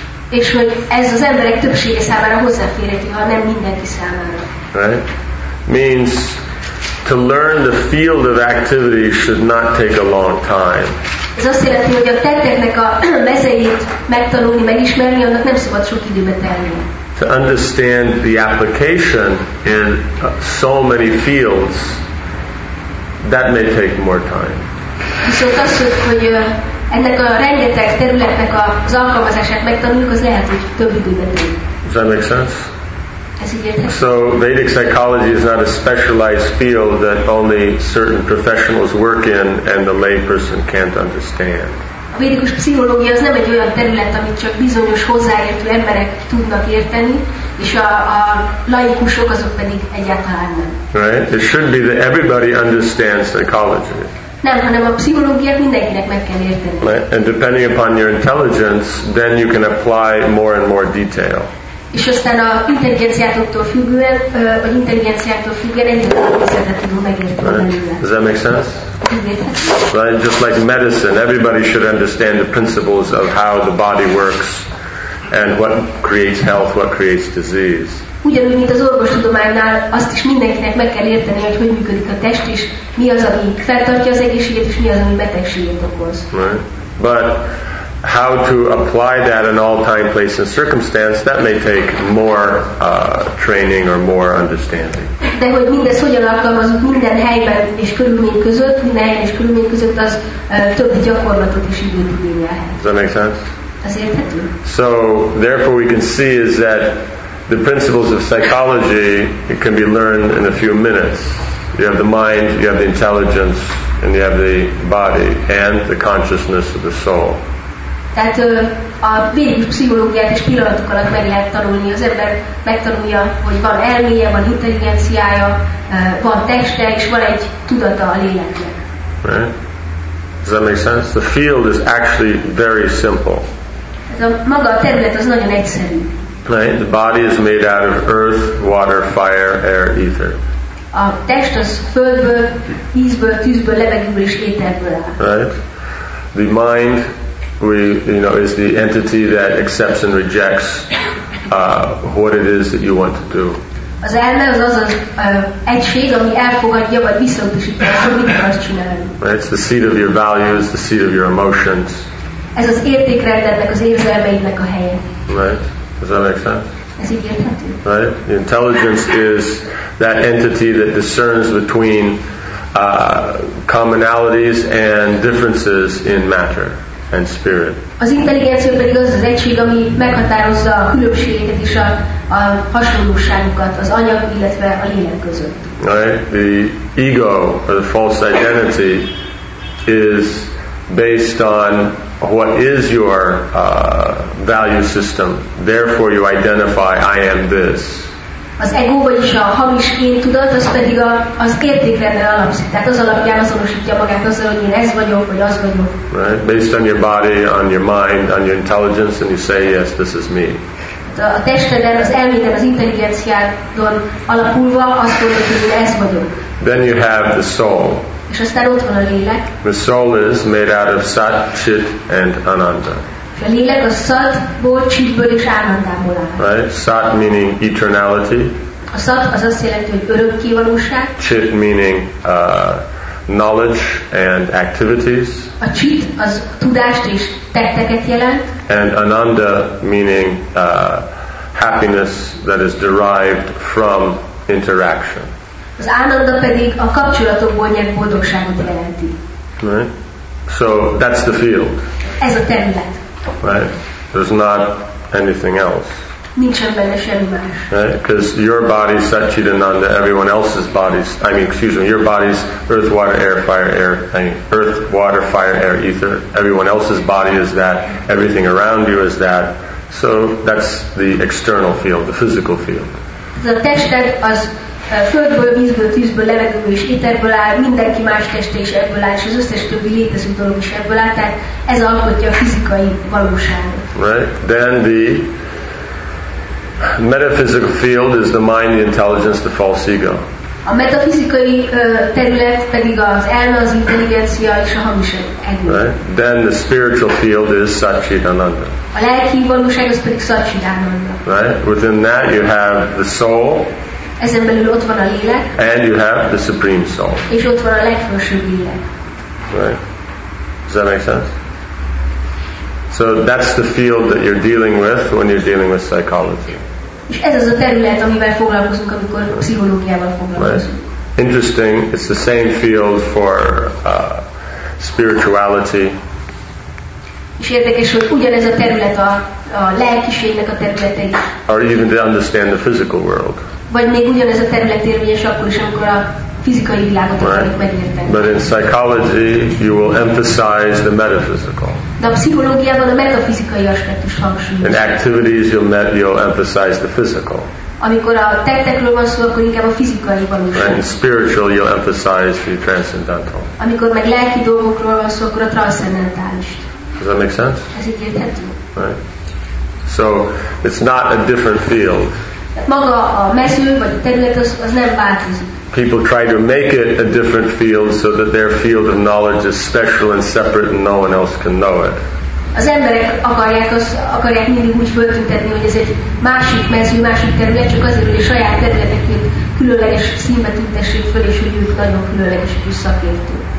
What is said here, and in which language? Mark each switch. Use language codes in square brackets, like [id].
[hu] És hogy ez az emberek többsége számára hozzáférheti, ha nem mindenki számára. [en] Right. Means to learn the field of activity should not take a long time. [hu] Ez azt jelenti, hogy a tetteknek a mezeit megtanulni, megismerni, annak nem szabad sok időbe tenni. [en] To understand the application in so many fields, that may take more time. [hu] Viszont az, hogy ennek a rengeteg területnek az alkalmazását megtanuljuk, az lehet, hogy több időbe tenni. [en] Does that make sense? So Vedic psychology is not a specialized field that only certain professionals work in and the layperson can't understand. [hu] A védikus pszichológia az nem egy olyan terület, amit csak bizonyos hozzáértő emberek tudnak érteni, és a laikusok azok pedig egyáltalán nem. [en] Right? It should be that everybody understands psychology. [hu] Nem, hanem a pszichológiát mindenkinek meg kell érteni. [en] Right? And depending upon your intelligence, then you can apply more and more detail. [hu] És aztán a intelligenciától függően, vagy intelligenciától függően egy szeretet tudom megérteni. [en] Does that make sense? Right, just like medicine, everybody should understand the principles of how the body works and what creates health, what creates disease. [hu] Ugyanúgy, mint az orvostudománynál, azt is mindenkinek meg kell érteni, hogy hogy működik a test, és mi az, ami feltartja az egészséget, és mi az, ami betegséget okoz. [en] Right. But how to apply that in all time, place, and circumstance, that may take more training or more understanding. [hu] De hogy mindez hogyan alkalmazunk minden helyben és körülmény között, minden helyen és körülmény között, az több gyakorlatot is időt igényelhet. [en] Does that make sense? [hu] Az érthető? [en] So, therefore we can see is that the principles of psychology can be learned in a few minutes. You have the mind, you have the intelligence, and you have the body, and the consciousness of the soul. [hu] Tehát a védikus pszichológiát is pillanatok alatt meg lehet tanulni. Az ember megtanulja, hogy van elméje, van intelligenciája, van teste, és van egy tudata a léleknek. [en] Right. Does that make sense? The field is actually very simple. [hu] Ez a maga a terület az nagyon egyszerű. [en] Right. The body is made out of earth, water, fire, air, ether. [hu] A test az földből, vízből, tűzből, levegőből és éterből áll. [en] Right. The mind, we, you know, is the entity that accepts and rejects what it is that you want to do. [hu] Az elme az az egység, ami elfogadja vagy visszautasítja, hogy mit akarsz csinálni. [en] It's the seat of your values, the seat of your emotions. [hu] Ez az értékrendednek, az érzelmeidnek a helye. [en] Right? Does that make sense? [hu] Ez így érthető. [en] Right? The intelligence is that entity that discerns between commonalities and differences in matter and spirit. [hu] Az intelligencia pedig az az egység, ami meghatározza a különbségeket és a hasonlóságokat az anyag, illetve a lélek között. [en] Right? The ego, or the false identity, is based on what is your value system. Therefore you identify, I am this. [hu] Az ego, vagyis a hamis én tudat, az pedig az értékrendel alapszik. Tehát az alapján azonosítja magát azzal, hogy én ez vagyok, vagy az vagyok. [en] Right? Based on your body, on your mind, on your intelligence, and you say, yes, this is me. [hu] A testeden, az elméden, az intelligenciádon alapulva azt mondod, hogy én ez vagyok. [en] Then you have the soul. [hu] És aztán ott van a lélek. [en] The soul is made out of sat, chit, and ananda. [hu] A lélek a szatból, csitből és ánandából áll. [en] Right? Sat meaning eternality. [hu] A szat az azt jelenti, hogy örökkévalóság. [en] Chit meaning knowledge and activities. [hu] A chit az tudást és tetteket jelent. [en] And ananda meaning happiness that is derived from interaction. [hu] Az ánanda pedig a kapcsolatokból nyert boldogságot jelenti. [en] Right? So that's the field. [hu] Ez a terület. [en] Right? There's not anything else. [hu] Nincsen benne semmi más. [en] Right? Because your body, Satchitananda, everyone else's bodies, I mean, excuse me, your body's earth, water, air, fire, air, earth, water, fire, air, ether, everyone else's body is that, everything around you is that. So that's the external field, the physical field. [hu] A tested az földből, vízből, tűzből, levegőből és éterből áll, mindenki más teste is ebből áll, és az összes többi létező dolog is ebből áll, tehát ez alkotja a fizikai valóságot. [en] Right. Then the metaphysical field is the mind, the intelligence, the false ego. [hu] A metafizikai terület pedig az elme, az intelligencia és a hamis ego. [en] Right. Then the spiritual field is Satchitananda. [hu] A lelki valóság az pedig Satchitananda. [en] Right. Within that you have the soul. [hu] Ezen belül ott van a lélek. [en] And you have the supreme soul. [hu] És ott van a legfősebb lélek. [en] Right. Does that make sense? So that's the field that you're dealing with when you're dealing with psychology. [hu] És ez az a terület, amivel foglalkozunk, amikor pszichológiával foglalkozunk. [en] Right. Interesting, it's the same field for spirituality. [hu] És érdekes, hogy ugyanez a terület a lelkiségnek a területei. [en] Or even to understand the physical world. [hu] Vagy még ugyanez a terület érvényes akkor is, amikor a fizikai világot akarjuk megérteni. [en] But in psychology, you will emphasize the metaphysical. [hu] De a pszichológiában a metafizikai aspektus hangsúlyos. [en] In activities, you'll emphasize the physical. [hu] Amikor a tettekről van szó, akkor inkább a fizikai valóság. [en] And spiritual, you'll emphasize the transcendental. [hu] Amikor meg lelki dolgokról van szó, akkor a transzcendentális. [en] Does that make sense? [hu] Ez így érthető. [en] Right. So it's not a different field. [hu] Maga a mező vagy a terület az nem változik. [en] People try to make it a different field so that their field of knowledge is special and separate and no one else can know it. [hu] Az emberek akarják mindig úgy föltüntetni, hogy ez egy másik mező, másik terület, csak azért, hogy a saját területekért különleges színbe tüntessék föl, és hogy ők nagyon különleges és szakértő.